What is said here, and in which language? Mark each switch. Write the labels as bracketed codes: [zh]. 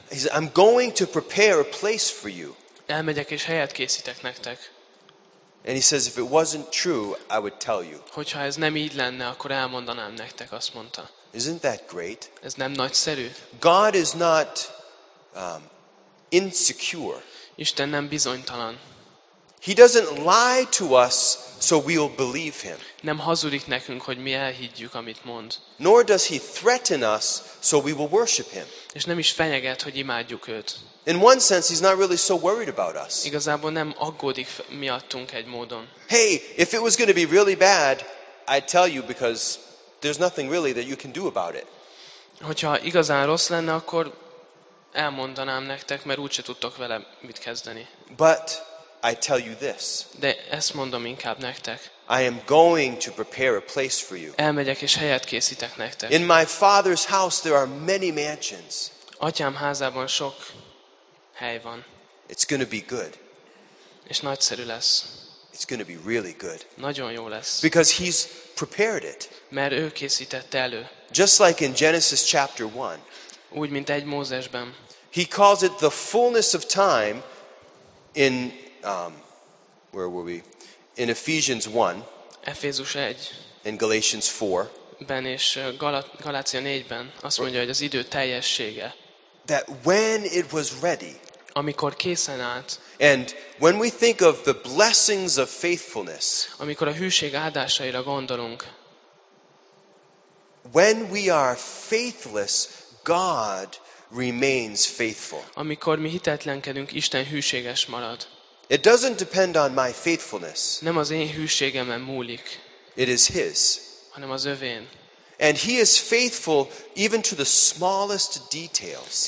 [en] He said, I'm going to prepare a place for you. [hu] Elmegyek és helyet készítek nektek. [en] And he says, if it wasn't true, I would tell you. [hu] Hogyha ez nem így lenne, akkor elmondanám nektek, azt mondta. [en] Isn't that great? [hu] Ez nem nagyszerű. [en] God is not insecure. [hu] Isten nem bizonytalan. [en] He doesn't lie to us so we'll believe him. [hu] Nem hazudik nekünk, hogy mi elhiggyük, amit mond. [en] Nor does he threaten us so we will worship him. [hu] És nem is fenyeget, hogy imádjuk őt. [en] In one sense, he's not really so worried about us. [hu] Igazából nem aggódik miattunk egy módon. [en] Hey, if it was going to be really bad, I'd tell you because there's nothing really that you can do about it. [hu] Hogyha igazán rossz lenne, akkor elmondanám nektek, mert úgyse tudtok vele mit kezdeni. [en] But I tell you this. [hu] De ezt mondom inkább nektek. [en] I am going to prepare a place for you. [hu] Elmegyek és helyet készítek nektek. [en] In my father's house there are many mansions. [hu] Atyám házában sok hely van. [en] It's going to be good. [hu] És nagyszerű lesz. [en] It's going to be really good. [hu] Nagyon jó lesz. [en] Because he's prepared it. [hu] Mert ő készítette elő. [en] Just like in Genesis chapter 1. [hu] Úgy mint 1 Mózesben. [en] He calls it the fullness of time in where were we? In Ephesians 1. [hu] Efézus 1. [en] In Galatians 4. [hu] Ben és Galácia 4-ben azt mondja, hogy az idő teljessége. [en] That when it was ready. [hu] amikor készen állt. [en] And when we think of the blessings of faithfulness, [hu] amikor a hűség áldásaira gondolunk, [en] when we are faithless, God remains faithful. [hu] Amikor mi hitetlenkedünk, Isten hűséges marad. [en] It doesn't depend on my faithfulness. [hu] Nem az én hűségemen múlik. [en] It is His. [hu] Hanem az övén. [en] And He is faithful even to the smallest details.